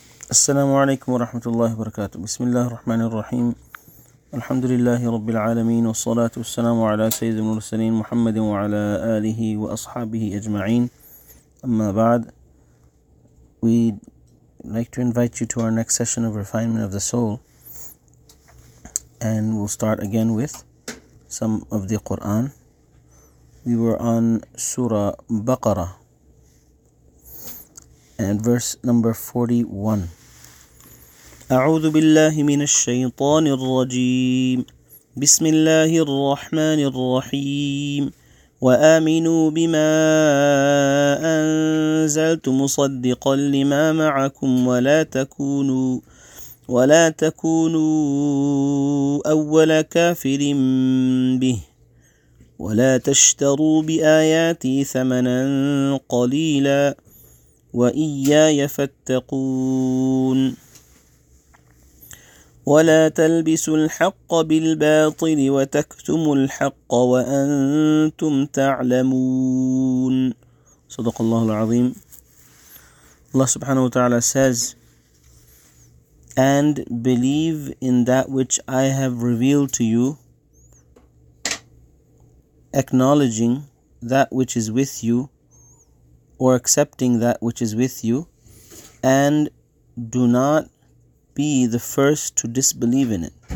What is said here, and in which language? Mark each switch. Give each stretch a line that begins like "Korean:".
Arabic: السلام عليكم ورحمة الله وبركاته. بسم الله الرحمن الرحيم. الحمد لله رب العالمين، والصلاة والسلام على سيد المرسلين محمد وعلى آله وأصحابه أجمعين. أما بعد،
English: we'd like to invite you to our next session of refinement of the soul, and we'll start again with some of the Quran. We were on Surah Baqarah and verse number 41.
Arabic: أعوذ بالله من الشيطان الرجيم بسم الله الرحمن الرحيم وآمنوا بما أنزلت مصدقا لما معكم ولا تكونوا أول كافر به ولا تشتروا بآياتي ثمنا قليلا وإياي فاتقون ولا تلبسوا الحق بالباطل وتكتموا الحق وأنتم تعلمون. صدق الله العظيم.
English: Allah subhanahu wa ta'ala says, and believe in that which I have revealed to you, acknowledging that which is with you, or accepting that which is with you, and do not be the first to disbelieve in it.